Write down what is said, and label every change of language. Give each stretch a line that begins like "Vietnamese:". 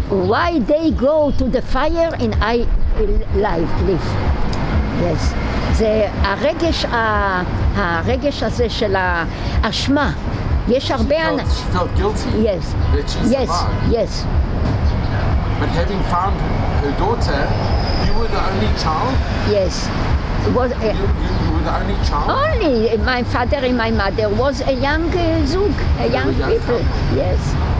English: Why they go to the fire and I live? Yes.
Hebrew: זה הרגש, הרגש הזה של האשמה. יש הרבה אנשים.
English: She felt guilty. Yes. That she survived. Yes. But having found her daughter, you were the only child? Yes. You were the only child? Only. My father and my mother was a young zug, a young people. Yes.